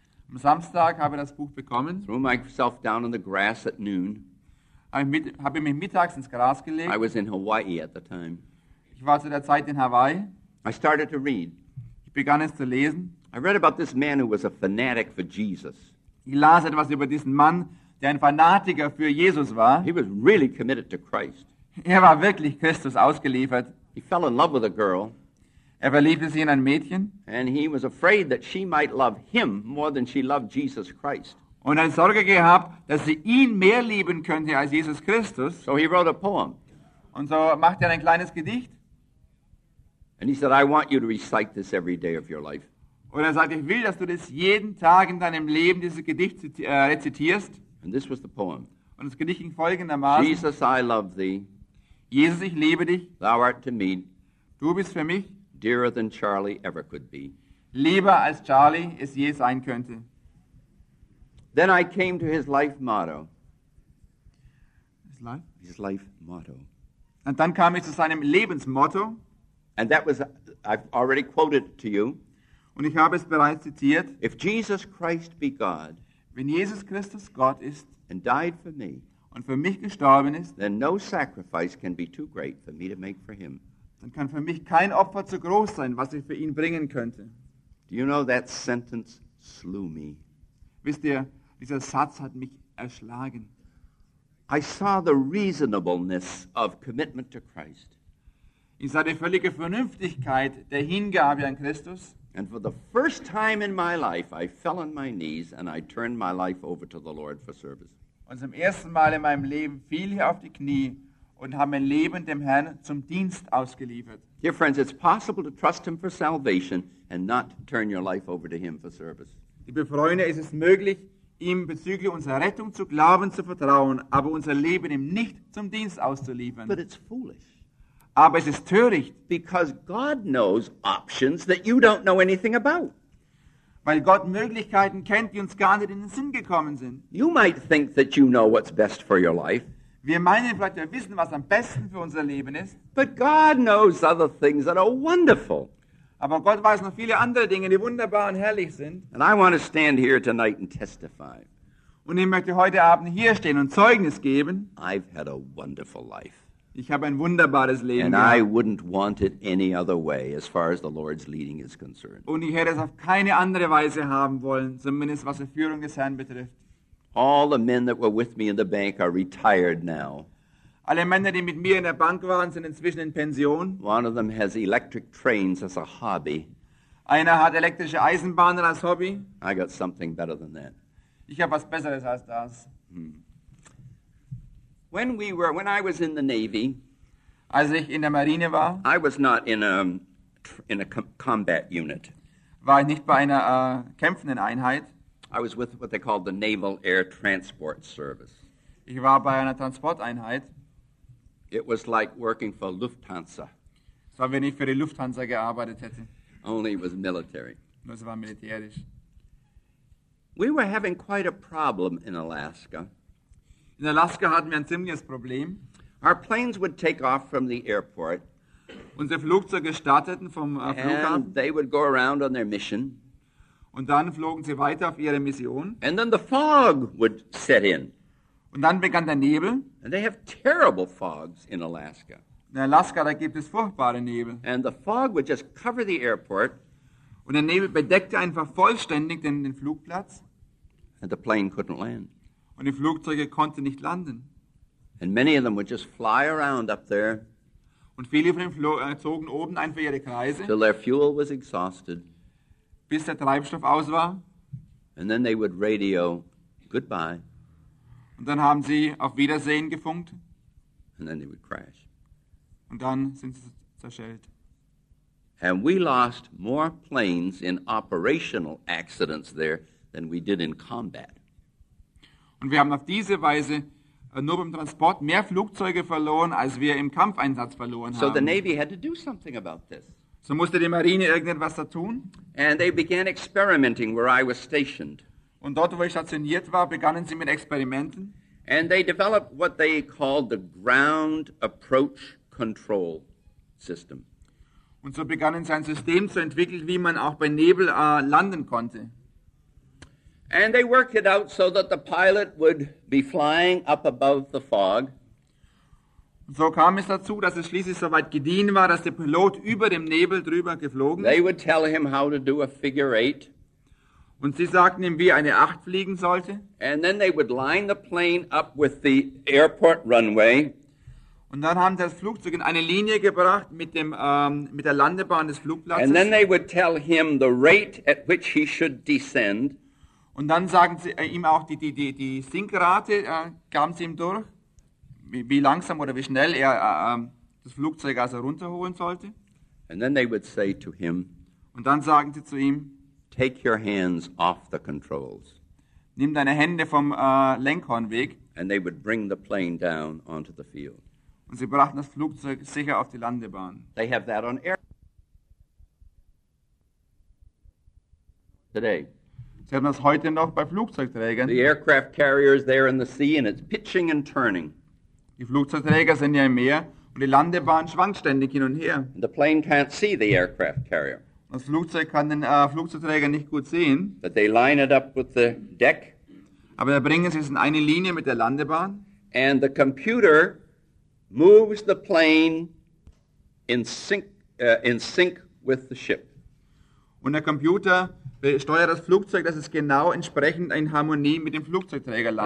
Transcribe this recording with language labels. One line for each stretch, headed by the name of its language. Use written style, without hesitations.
German: Am Samstag habe ich das Buch bekommen.
English: Threw myself down on the grass at noon.
German: Habe mich mittags ins Gras gelegt.
English: I was in Hawaii at the time.
German: Ich war zu der Zeit in Hawaii.
English: I started to read.
German: Ich begann es zu lesen.
English: I read about this man who was a fanatic for Jesus.
German: Ich las etwas über diesen Mann, der ein Fanatiker für Jesus war.
English: He was really committed to Christ.
German: Er war wirklich Christus ausgeliefert.
English: He fell in love with a girl.
German: Er verliebte sich in ein Mädchen.
English: And he was afraid that she might love him more than she loved Jesus Christ.
German: Und er hat Sorge gehabt, dass sie ihn mehr lieben könnte als Jesus Christus.
English: So he wrote a poem.
German: Und so machte er ein kleines Gedicht.
English: And he said, I want you to recite this every day of your life.
German: Und er sagte, ich will, dass du das jeden Tag in deinem Leben, dieses Gedicht rezitierst.
English: And this was the poem.
German: Und das Gedicht ging folgendermaßen.
English: Jesus, I love thee.
German: Jesus, ich liebe dich.
English: Thou art to me.
German: Du bist für mich.
English: Dearer than Charlie ever could be.
German: Lieber als Charlie es je sein könnte.
English: Then I came to his life motto. His life? His life motto.
German: Und dann kam ich zu seinem Lebensmotto.
English: And that was, I've already quoted it to you.
German: Und ich habe es bereits zitiert.
English: If Jesus Christ be God,
German: wenn Jesus Christus Gott ist,
English: and died for me,
German: und für mich gestorben ist,
English: then no sacrifice can be too great for me to make for him.
German: Dann kann für mich kein Opfer zu groß sein, was ich für ihn bringen könnte.
English: Do you know that sentence slew me?
German: Wisst ihr, dieser Satz hat mich erschlagen.
English: I saw the reasonableness of commitment to Christ.
German: Ich sah die völlige Vernünftigkeit der Hingabe an Christus.
English: And for the first time in my life, I fell on my knees and I turned my life over to the Lord for service.
German: Und zum ersten Mal in meinem Leben fiel ich auf die Knie und habe mein Leben dem Herrn zum Dienst ausgeliefert.
English: Dear friends, it's possible to trust him for salvation and not turn your life over to him for service.
German: Liebe Freunde, es ist möglich, ihm bezüglich unserer Rettung zu glauben, zu vertrauen, aber unser Leben ihm nicht zum Dienst auszuliefern.
English: But it's foolish.
German: Aber es ist töricht.
English: Because God knows options that you don't know anything about.
German: Weil Gott Möglichkeiten kennt, die uns gar nicht in den Sinn gekommen sind.
English: You might think that you know what's best for your life.
German: Wir meinen vielleicht, wir wissen, was am besten für unser Leben ist.
English: But God knows other things that are wonderful.
German: Aber Gott weiß noch viele andere Dinge, die wunderbar und herrlich sind.
English: And I want to stand here tonight and testify.
German: Und ich möchte heute Abend hier stehen und Zeugnis geben.
English: I've had a wonderful life.
German: Ich habe ein wunderbares Leben.
English: And I wouldn't want it any other way, as far as the Lord's leading is concerned.
German: Und ich hätte es auf keine andere Weise haben wollen, zumindest was die Führung des Herrn betrifft.
English: All the men that were with me in the bank are retired now.
German: Alle Männer, die mit mir in der Bank waren, sind inzwischen in Pension.
English: One of them has electric trains as a hobby.
German: Einer hat elektrische Eisenbahnen als Hobby.
English: I got something better than that.
German: Ich habe was Besseres als das.
English: When I was in the Navy,
German: als ich in der Marine war,
English: I was not in a combat unit.
German: War ich nicht bei einer kämpfenden Einheit.
English: I was with what they called the Naval Air Transport Service.
German: Ich war bei einer Transporteinheit.
English: It was like working for Lufthansa.
German: So, wenn ich für die Lufthansa gearbeitet hätte.
English: Only it was military.
German: Nur es war militärisch.
English: We were having quite a problem in Alaska.
German: In Alaska hatten wir ein ziemliches Problem.
English: Our planes would take off from the airport.
German: Unsere Flugzeuge starteten vom Flughafen.
English: And they would go around on their mission.
German: Und dann flogen sie weiter auf ihre Mission.
English: And then the fog would set in.
German: Und dann begann der Nebel.
English: And they have terrible fogs in Alaska.
German: In Alaska, da gibt es furchtbare Nebel.
English: And the fog would just cover the airport.
German: Und der Nebel bedeckte einfach vollständig den Flugplatz.
English: And the plane couldn't land.
German: Und die Flugzeuge konnten nicht landen.
English: And many of them would just fly around up there.
German: Und viele von ihnen zogen oben ein für ihre Kreise.
English: Till their fuel was exhausted.
German: Bis der Treibstoff aus war.
English: And then they would radio goodbye.
German: Und dann haben sie auf Wiedersehen gefunkt.
English: And then they would crash.
German: Und dann sind sie zerschellt.
English: And we lost more planes in operational accidents there than we did in combat.
German: Und wir haben auf diese Weise nur beim Transport mehr Flugzeuge verloren, als wir im Kampfeinsatz verloren haben.
English: So the Navy had to do something about this.
German: So musste die Marine irgendetwas da tun.
English: And they began experimenting where I was stationed.
German: Und dort, wo ich stationiert war, begannen sie mit Experimenten.
English: And they developed what they called the ground approach control system.
German: Und so begannen sie ein System zu entwickeln, wie man auch bei Nebel landen konnte.
English: And they worked it out so that the pilot would be flying up above the fog.
German: So kam es dazu, dass es schließlich so weit gediehen war, dass der Pilot über dem Nebel drüber geflogen ist.
English: They would tell him how to do a figure eight.
German: Und sie sagten ihm, wie eine Acht fliegen sollte.
English: And then they would line the plane up with the airport runway.
German: Und dann haben sie das Flugzeug in eine Linie gebracht mit dem mit der Landebahn des Flugplatzes.
English: And then they would tell him the rate at which he should descend.
German: Und dann sagen sie ihm auch die Sinkrate, gaben sie ihm durch, wie langsam oder wie schnell er das Flugzeug also runterholen sollte.
English: And then they would say to him,
German: und dann sagen sie zu ihm,
English: take your hands off the controls.
German: Nimm deine Hände vom Lenkhorn weg.
English: And they would bring the plane down onto the field.
German: Und sie brachten das Flugzeug sicher auf die Landebahn.
English: They have that on air. Today.
German: Sie haben das heute noch bei Flugzeugträgern.
English: The aircraft carrier is there in the sea and it's pitching and turning.
German: Die Flugzeugträger sind ja im Meer und die Landebahn schwankt ständig hin und her.
English: The plane can't see the aircraft carrier.
German: Das Flugzeug kann den Flugzeugträger nicht gut sehen.
English: But they line it up with the deck.
German: Aber da bringen sie es in eine Linie mit der Landebahn.
English: And the computer moves the plane in sync with the ship.
German: Und der Computer steuert das Flugzeug, dass es genau entsprechend in Harmonie mit dem Flugzeugträger landet.